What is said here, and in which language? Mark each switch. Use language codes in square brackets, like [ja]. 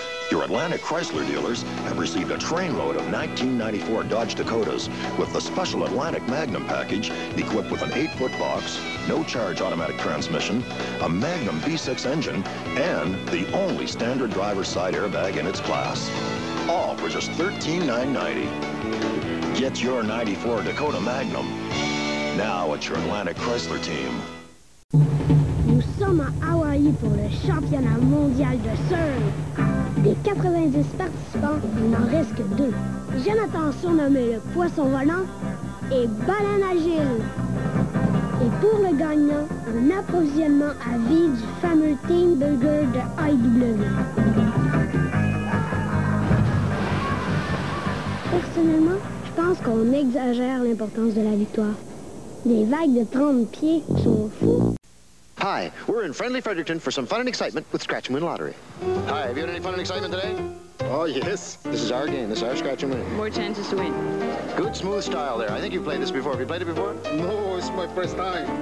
[en] Your Atlantic Chrysler dealers have received a trainload of 1994 Dodge Dakotas with the special Atlantic Magnum package, equipped with an 8-foot box, no-charge automatic transmission, a Magnum V6 engine, and the only standard driver's side airbag in its class. All for just $13,990. Get your 94 Dakota Magnum now at your Atlantic Chrysler team. [fr] Nous sommes à Hawaï pour le championnat mondial de surf. Des 90 participants, il n'en reste que deux. Jonathan, surnommé le poisson volant, et Baleine Agile. Et pour le gagnant, un approvisionnement à vie du fameux Team Burger de IW. Personnellement, je pense qu'on exagère l'importance de la victoire. Les vagues de 30 pieds sont fous. [en] Hi, we're in friendly Fredericton for some fun and excitement with Scratch and Win Lottery. Hi, have you had any fun and excitement today? Oh, yes. This is our game. This is our Scratch and Win. More chances to win. Good, smooth style there. I think you've played this before. Have you played it before? No, it's my first time.